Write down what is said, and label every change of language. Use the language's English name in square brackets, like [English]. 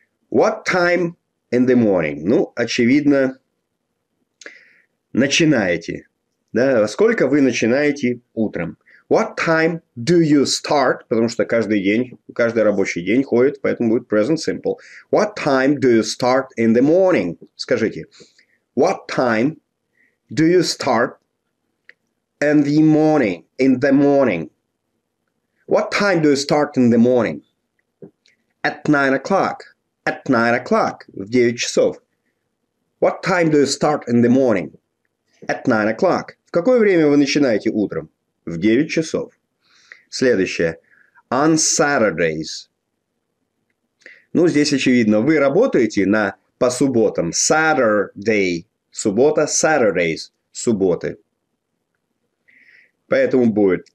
[English] What time in the morning? [Russian] Ну, очевидно, начинаете. Да? Сколько вы начинаете утром? [English] What time do you start? [Russian] Потому что каждый день, каждый рабочий день ходит, поэтому будет present simple. [English] What time do you start in the morning? [Russian] Скажите. [English] What time do you start in the morning? In the morning. What time do you start in the morning? At 9 o'clock. At 9 o'clock, [Russian] в 9 часов. [English] What time do you start in the morning? At 9 o'clock. [Russian] В какое время вы начинаете утром? В 9 часов. Следующее. [English] On Saturdays. [Russian] Ну, здесь очевидно, вы работаете на, по субботам. Saturday. Суббота. Saturdays. Субботы. Поэтому будет.